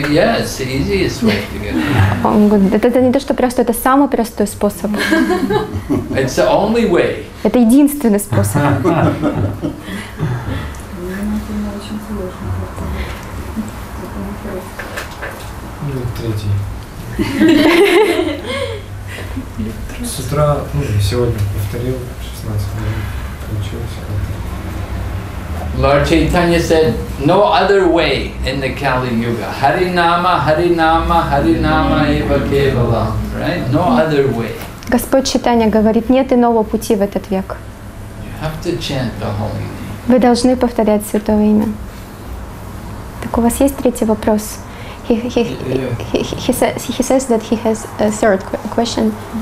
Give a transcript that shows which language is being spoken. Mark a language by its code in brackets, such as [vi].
[en] Yeah, it's the easiest way to get rid of lust. [ru] Это не то, что просто, это самый простой способ. [en] It's the only way. [ru] Это единственный способ. С утра, сегодня повторил 16 минут, получилось. [en] Lord Chaitanya said, no other way in the Kali Yuga. [sa] Harinama, Harinama, Harinama, Eva Kevala. [en] Right? No other way. [ru] Господь Чайтанья говорит, нет иного пути в этот век. [en] You have to chant the holy name. [ru] Вы должны повторять святое имя. Так у вас есть третий вопрос? [en] He says that he has a third question.